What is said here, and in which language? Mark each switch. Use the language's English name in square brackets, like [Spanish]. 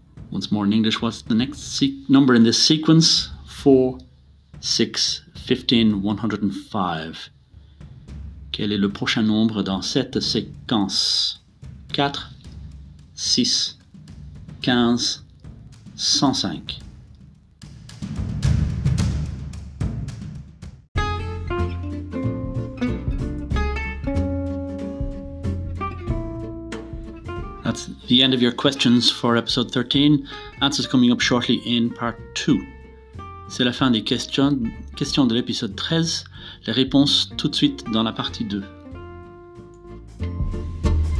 [English] Once more in English, what's the next number in this sequence? 4, 6, 15, 105. [French] Quel est le prochain nombre dans cette séquence? 4, 6, 15, 105. [English] That's the end of your questions for episode 13. Answers coming up shortly in part 2. [French] C'est la fin des questions de l'épisode 13. Les réponses tout de suite dans la partie 2.